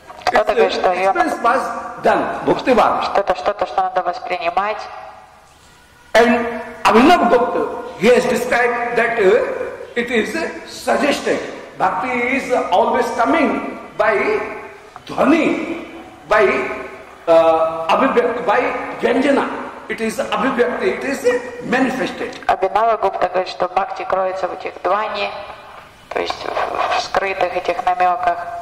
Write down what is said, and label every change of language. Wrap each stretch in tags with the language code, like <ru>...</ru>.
<en>Experience was done, bhukti var.</en> <ru>Что-то, что надо воспринимать.</ru> <en>And Abhinav Gupta, he has described that it is suggested. Bhakti is always coming by dhvani, by abhivyakti, by vyanjana. It is abhivyakti, it is manifested.</en> <ru>Abhinav Gupta говорит, что bhakti кроется в этих dhvani. То есть в скрытых этих намеках.</ru>